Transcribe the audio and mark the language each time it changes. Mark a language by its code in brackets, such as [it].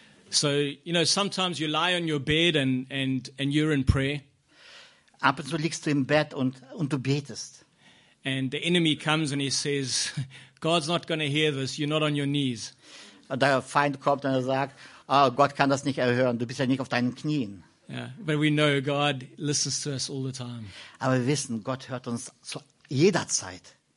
[en] So, you know, sometimes you lie on your bed and you're in prayer. [de] Ab und zu liegst du im Bett und du betest. [en] And the enemy comes and he says, God's not going to hear this. You're not on your knees. [de] Und der Feind kommt und er sagt, Gott kann das nicht erhören. Du bist ja nicht auf deinen Knien. [en] Yeah, but we know God listens to us all the time. [de] Aber wir wissen, Gott hört uns zu jeder Zeit.